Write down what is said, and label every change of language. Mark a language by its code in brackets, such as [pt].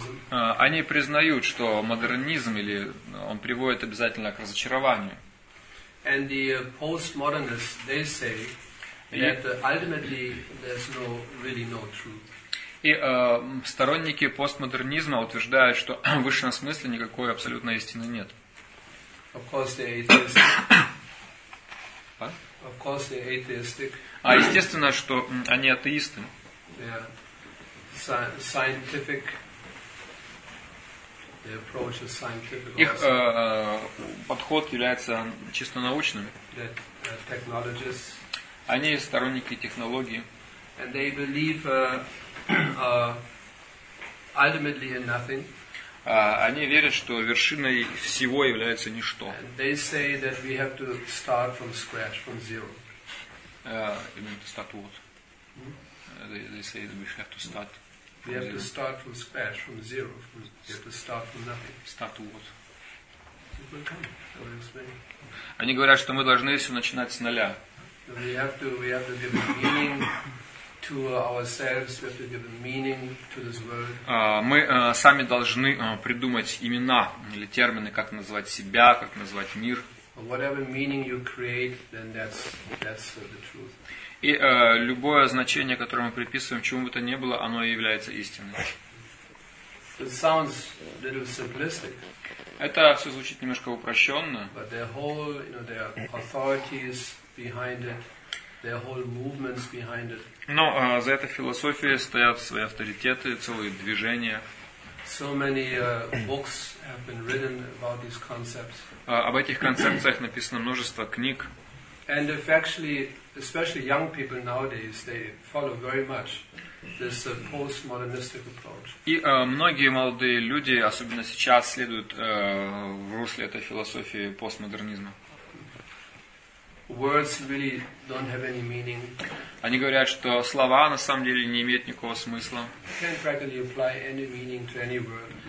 [ru] Они признают, что модернизм или он приводит обязательно к разочарованию. [en] And the postmodernists they say that ultimately there's no really no truth. [ru] И сторонники постмодернизма утверждают, что в высшем смысле никакой абсолютной истины нет. [en] Of course, they're atheistic. Of course, they're atheistic. [ru] А естественно, что они атеисты. [en] Yeah. Scientific. The approach is scientific. [ru] Их подход является чисто научным. [en] Technologists. [ru] Они сторонники технологии. [en] And they believe ultimately in nothing. [ru] Они верят, что вершиной всего является ничто. [en] And they say that we have to start from scratch, from zero. They say that we have to start. We have to start from scratch, from zero. We have to start from nothing. Start what? It will come. [ru] Они говорят, что мы должны все начинать с нуля. [en] We have to give meaning to ourselves. We have to give meaning to this world. [ru] Мы сами должны придумать имена или термины, как назвать себя, как назвать мир. [en] Whatever meaning you create, then that's the truth. [ru] И любое значение, которое мы приписываем, чему бы то ни было, оно и является истиной. [en] It sounds a little simplistic. [ru] Это все звучит немножко упрощенно. [en] But their whole, you know, their authorities behind it, their whole movements behind it. [ru] Но за этой философией стоят свои авторитеты, целые движения. [en] So many books have been written about these concepts. [ru] Об этих концепциях написано множество книг. [en] And if actually, especially young people nowadays, they follow very much this postmodernistic approach. [ru] И многие молодые люди, особенно сейчас, следуют в русле этой философии постмодернизма. [en] Words really don't have any meaning. [ru] Они говорят, что слова на самом деле не имеют никакого смысла. [en] Can't practically apply any meaning to any word.